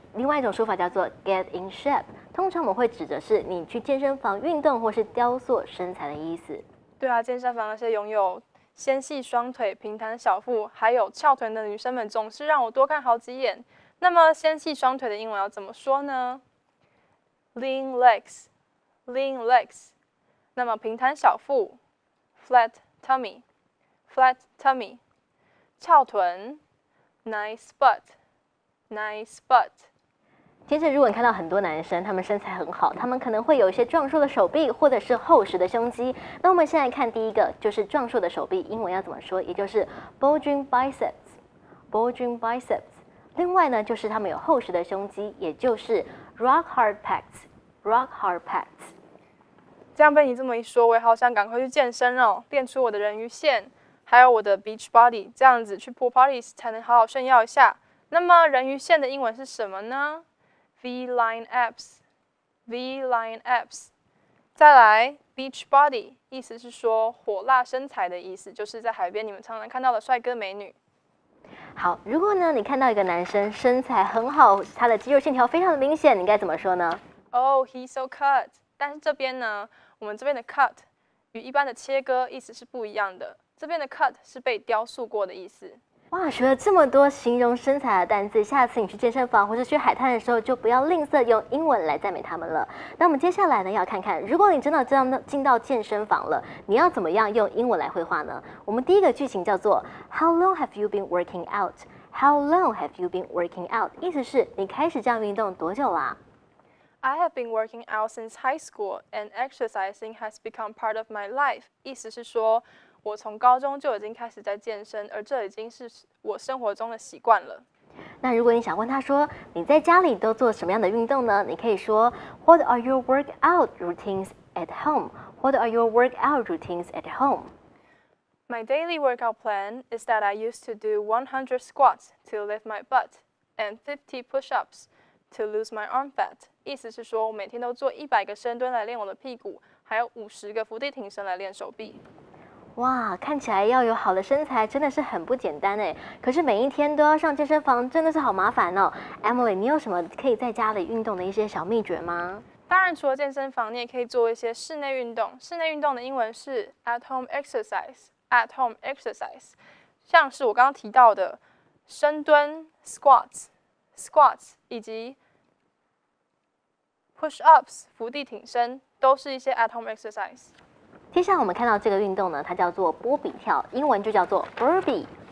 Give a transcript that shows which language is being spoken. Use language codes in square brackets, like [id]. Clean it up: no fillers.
[zh] 另外一种说法叫做 [en] get in shape。 [zh] 通常我们会指的是你去健身房运动或是雕塑身材的意思。对啊，健身房那些拥有纤细双腿、平坦小腹还有翘臀的女生们总是让我多看好几眼。那么纤细双腿的英文要怎么说呢？ [en] Lean legs， Lean legs。 [zh] 那么平坦小腹， [en] Flat tummy， Flat tummy。翘臀， Nice butt， Nice butt。 [zh] 接着，如果你看到很多男生，他们身材很好，他们可能会有一些壮硕的手臂，或者是厚实的胸肌。那我们现在看第一个，就是壮硕的手臂，英文要怎么说？也就是 [en] bulging biceps， bulging biceps。 [zh] 另外呢，就是他们有厚实的胸肌，也就是 rock hard pecs， rock hard pecs。这样被你这么一说，我也好想赶快去健身哦，练出我的人鱼线，还有我的 beach body， 这样子去 pool parties 才能好好炫耀一下。那么人鱼线的英文是什么呢？ [en] V-line abs， V-line abs。 [zh] 再来 beach body， 意思是说火辣身材的意思，就是在海边你们常常看到的帅哥美女。好，如果呢你看到一个男生身材很好，他的肌肉线条非常的明显，你该怎么说呢？ [en] Oh， he's so cut。 [zh] 但是这边呢，我们这边的 cut 与一般的切割意思是不一样的，这边的 cut 是被雕塑过的意思。哇，学了这么多形容身材的单字，下次你去健身房或是去海滩的时候，就不要吝啬用英文来赞美他们了。那我们接下来呢，要看看如果你真的进到健身房了，你要怎么样用英文来绘画呢？我们第一个句型叫做 [en] How long have you been working out? How long have you been working out? [zh] 意思是你开始这样运动多久啦？ [en] I have been working out since high school and exercising has become part of my life. [zh] 意思是说我从高中就已经开始在健身，而这已经是我生活中的习惯了。那如果你想问他说你在家里都做什么样的运动呢？你可以说 [en] What are your workout routines at home? What are your workout routines at home? My daily workout plan is that I used to do 100 squats to lift my butt and 50 push-ups to lose my arm fat. [zh] 意思是说我每天都做100个深蹲来练我的屁股，还有50个伏地挺身来练手臂。哇，看起来要有好的身材真的是很不简单哎。可是每一天都要上健身房，真的是好麻烦哦。Emily， 你有什么可以在家里运动的一些小秘诀吗？当然，除了健身房，你也可以做一些室内运动。室内运动的英文是 [en] at home exercise， at home exercise。 [zh] 像是我刚刚提到的深蹲 squats， squats， 以及 push ups， 伏地挺身，都是一些 at home exercise。接下来我们看到这个运动呢，它叫做波比跳，英文就叫做 Burpee。